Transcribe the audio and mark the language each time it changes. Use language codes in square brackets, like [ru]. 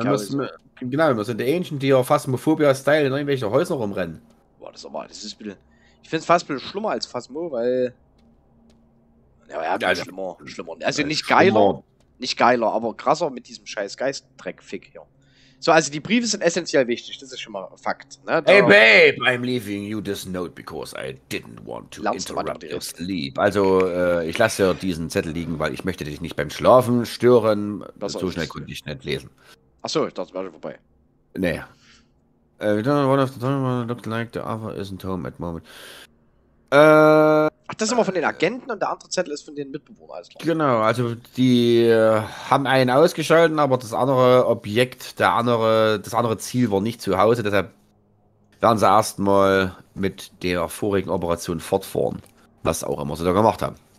[de] Genau, wir sind der Ancient, die auf Phasmophobia-Style in irgendwelche Häuser rumrennen. Boah, das ist aber, das ist bitte. Ich find's fast ein bisschen schlimmer als Phasmo, weil. Ja, ja, also, schlimmer. Also nicht schlimmer. Geiler. Nicht geiler, aber krasser mit diesem scheiß Geist-Dreck-Fick hier. So, also die Briefe sind essentiell wichtig, das ist schon mal Fakt. Ne? [en] Hey babe, I'm leaving you this note because I didn't want to interrupt your sleep. [de] Also, ich lasse dir diesen Zettel liegen, weil ich möchte dich nicht beim Schlafen stören. Das so schnell konnte ich nicht lesen. Achso, ich dachte, war schon vorbei. Nee. [en] We don't know what the time looked like, the other isn't home at the moment. [de] Ach, das ist immer von den Agenten und der andere Zettel ist von den Mitbewohnern. Also genau, also die haben einen ausgeschalten, aber das andere Objekt, das andere Ziel war nicht zu Hause, deshalb werden sie erstmal mit der vorigen Operation fortfahren, was auch immer sie da gemacht haben.